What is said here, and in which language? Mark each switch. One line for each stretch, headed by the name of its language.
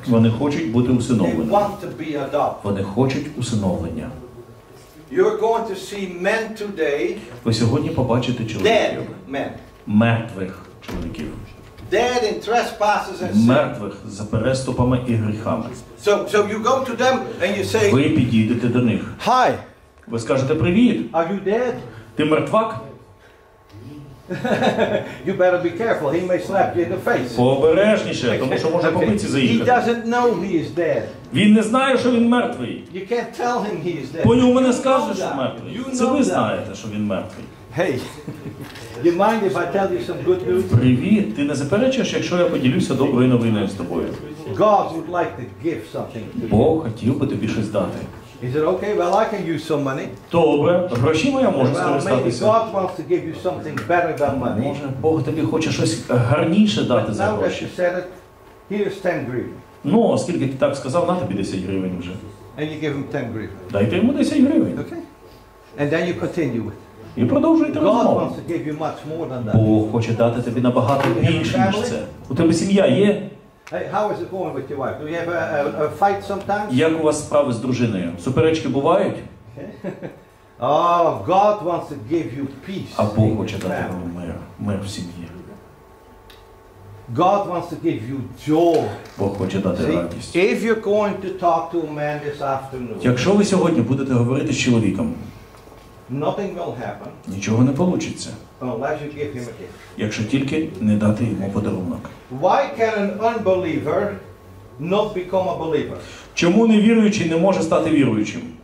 Ukrainian: Вони хочуть бути усиновлені.
English: They want to be adopted.
Ukrainian: Вони хочуть усиновлення.
English: You're going to see men today.
Ukrainian: Ви сьогодні побачите чоловіків.
English: Men.
Ukrainian: Мертвих чоловіків.
English: Dead in trespasses and sin.
Ukrainian: Мертвих за переступами і гріхами.
English: So you go to them and you say.
Ukrainian: Ви підійдете до них.
English: Hi.
Ukrainian: Ви скажете привіт.
English: Are you dead?
Ukrainian: Ти мертвак?
English: You better be careful. He may slap you in the face.
Ukrainian: Обережніше, тому що може побити за їх.
English: He doesn't know he is dead.
Ukrainian: Він не знає, що він мертвий.
English: You can't tell him he is dead.
Ukrainian: По ньому не скажеш, що мертвий. Це ви знаєте, що він мертвий.
English: Hey. You mind if I tell you some good news?
Ukrainian: Привіт, ти не заперечиш, якщо я поділюся доброю новиною з тобою?
English: God would like to give something.
Ukrainian: Бог хотів би тобі щось дати.
English: Is it okay? Well, I can use some money.
Ukrainian: Добре, гроші я можу скористатися.
English: Well, maybe God wants to give you something better than money.
Ukrainian: Може, Бог тобі хоче щось гарніше дати за гроші.
English: Now that you said it, here's 10 гривень.
Ukrainian: Ну, оскільки ти так сказав, на тобі 10 гривень вже.
English: And you give him 10 гривень.
Ukrainian: Дайте йому 10 гривень.
English: Okay. And then you continue with.
Ukrainian: І продовжуйте розмову.
English: God wants to give you much more than that.
Ukrainian: Бог хоче дати тобі набагато більше, ніж це. У тебе сім'я є?
English: Hey, how is it going with your wife? Do you have a fight sometimes?
Ukrainian: Як у вас справи з дружиною? Суперечки бувають?
English: Okay. Oh, God wants to give you peace.
Ukrainian: А Бог хоче дати вам мир в сім'ї.
English: God wants to give you joy.
Ukrainian: Бог хоче дати радість.
English: If you're going to talk to a man this afternoon.
Ukrainian: Якщо ви сьогодні будете говорити з чоловіком.
English: Nothing will happen.
Ukrainian: Нічого не вийде.
English: Unless you give him a gift.
Ukrainian: Якщо тільки не дати йому подарунок.
English: Why can an unbeliever not become a believer?
Ukrainian: Чому невіруючий не може стати віруючим?